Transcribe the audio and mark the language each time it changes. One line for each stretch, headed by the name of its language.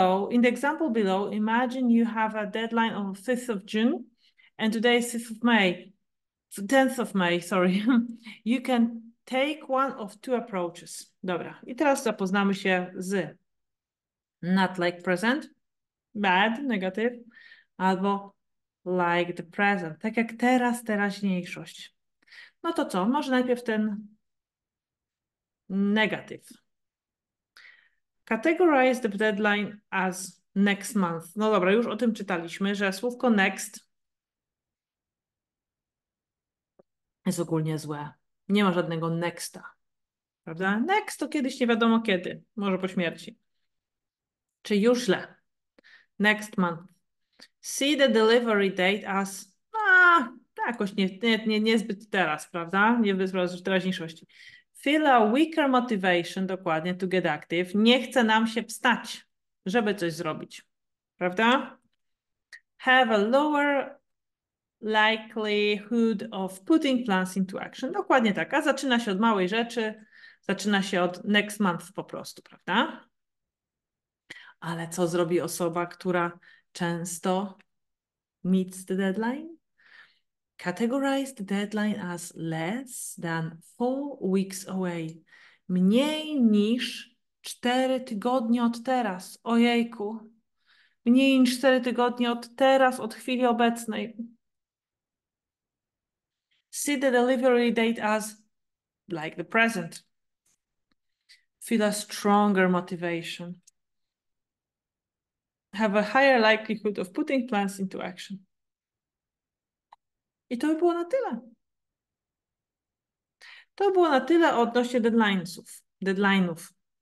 English: In the example below, imagine you have a deadline on 5th of June and today is 10th of May. You can take one of two approaches.
Polish: Dobra, i teraz zapoznamy się z
English: not like present, bad, negative,
Polish: albo
English: like the present,
Polish: tak jak teraz, teraźniejszość. No to co? Może najpierw ten negative.
English: Categorize the deadline as next month.
Polish: No dobra, już o tym czytaliśmy, że słówko next jest ogólnie złe. Nie ma żadnego nexta. Prawda? Next to kiedyś, nie wiadomo kiedy. Może po śmierci. Czy już źle.
English: Next month. See the delivery date as...
Polish: jakoś niezbyt teraz, prawda? Nie bez w teraźniejszości.
English: Feel a weaker motivation,
Polish: dokładnie,
English: to get active.
Polish: Nie chce nam się wstać, żeby coś zrobić. Prawda?
English: Have a lower likelihood of putting plans into action.
Polish: Dokładnie tak. A zaczyna się od małej rzeczy. Zaczyna się od
English: next month
Polish: po prostu, prawda? Ale co zrobi osoba, która często
English: meets the deadline? Categorize the deadline as less than 4 weeks away.
Polish: Mniej niż 4 tygodnie od teraz. Ojejku. Mniej niż 4 tygodnie od teraz, od chwili obecnej.
English: See the delivery date as like the present. Feel a stronger motivation. Have a higher likelihood of putting plans into action.
Polish: I to by było na tyle. To było na tyle odnośnie deadline'ów.